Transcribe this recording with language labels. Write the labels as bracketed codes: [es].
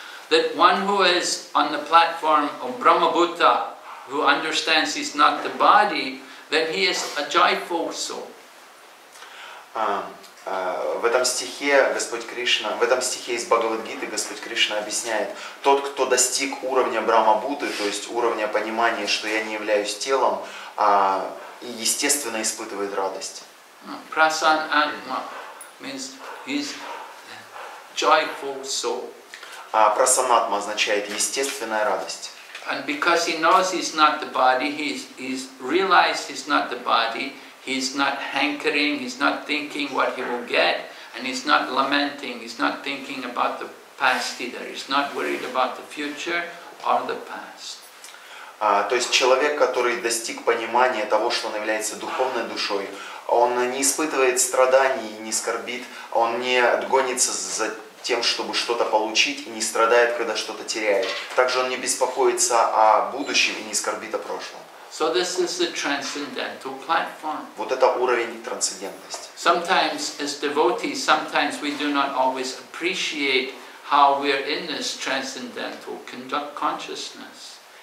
[en] That one who is on the platform of Brahma Buddha, who understands he's not the body, then he is a joyful soul. [ru] В этом стихе Господь Кришна, в этом стихе из Бхагавад-гиты Господь Кришна объясняет, тот, кто достиг уровня Брахма-бхуты, то есть уровня понимания, что я не являюсь телом, естественно испытывает радость. [en] Prasanna-атма means he's joyful soul. [ru] Prasanna-атма означает естественная радость. [en] And because he knows he's not the body, he's realized he's not the body. He's not hankering, he's not thinking what he will get, and he's not lamenting, he's not thinking about the past either. He's not worried about the future or the past. [ru] То есть человек, который достиг понимания того, что он является духовной душой, он не испытывает страданий и не скорбит, он не гонится за тем, чтобы что-то получить, и не страдает, когда что-то теряет. Также он не беспокоится о будущем и не скорбит о прошлом. [en] So this is the transcendental platform. [ru] Вот это уровень трансцендентности. [en] Sometimes as devotees, sometimes we do not always appreciate how we are in this transcendental consciousness.